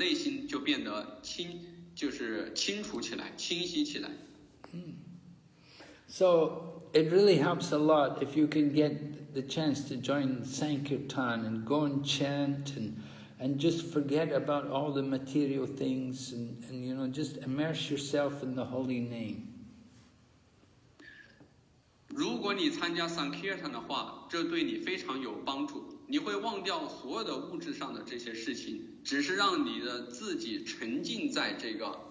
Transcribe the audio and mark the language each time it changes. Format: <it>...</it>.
<zh>当我最开始加入这个奉献服务的时候，我就被要求去做这个香的一些生意。我每天都会为这个香的这个事情所操心，但是呢，后来我当我开始加入到这个Sankirtan唱诵队伍的时候，我的内心就变得清。就是清楚起来，清晰起来。</zh> <en>So it really helps a lot if you can get the chance to join Sankirtan and go and chant and just forget about all the material things and you know, just immerse yourself in the holy name.</en> <zh>如果你参加Sankirtan的话，这对你非常有帮助，你会忘掉所有的物质上的这些事情，只是让你的自己沉浸在这个</zh>